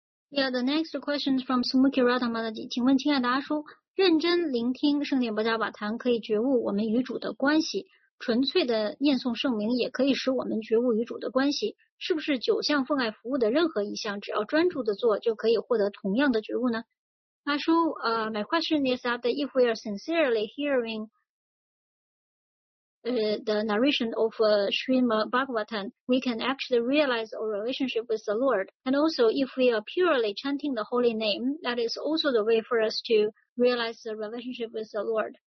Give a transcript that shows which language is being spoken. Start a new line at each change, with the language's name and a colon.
English: Yeah, the next question is from Smukhi Rata Mataji.
Chinese: 请问亲爱的阿叔，认真聆听圣殿伯加瓦坛可以觉悟我们与主的关系，纯粹的念诵圣名也可以使我们觉悟与主的关系，是不是九项奉爱服务的任何一项只要专注的做就可以获得同样的觉悟呢？
English: 阿叔，my question is that if we are sincerely hearing the narration of Srimad Bhagavatam, we can actually realize our relationship with the Lord. And also, if we are purely chanting the holy name, that is also the way for us to realize the relationship with the Lord.